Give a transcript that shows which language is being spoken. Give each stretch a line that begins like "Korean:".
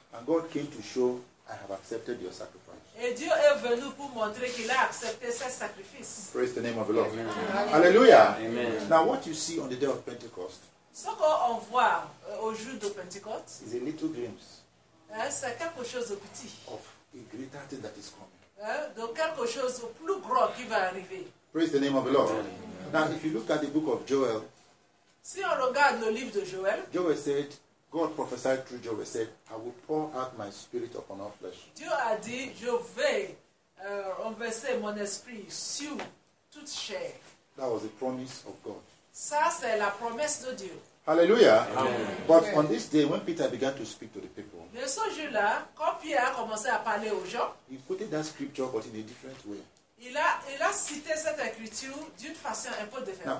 English: And God came to show, I have accepted your sacrifice.
French: Et Dieu est venu pour montrer qu'il a accepté ce sacrifice.
English: Praise the name of the Lord. Amen. Hallelujah. Amen. Now, what you see on the day of Pentecost,
French: ce qu'on voit au jour de Pentecôte,
English: is a little glimpse,
French: c'est quelque chose de petit,
English: of a greater thing that is coming,
French: de quelque chose de plus gros qui va arriver.
English: Praise the name of the Lord. Amen. Now, if you look at the book of Joel,
French: si on regarde le livre de Joël,
English: Joel said, God prophesied through Joel, said, I will pour out my spirit upon all flesh.
French: Dieu a dit, je vais renverser mon esprit sur toute chair.
English: That was the promise of God.
French: Ça, c'est la promesse de Dieu.
English: Hallelujah. Amen. But on this day, when Peter began to speak to the people,
French: mais ce jour-là, quand Pierre a commencé à parler aux gens,
English: he quoted that scripture, but in a different way.
French: Il a cité cette écriture d'une façon un peu différente.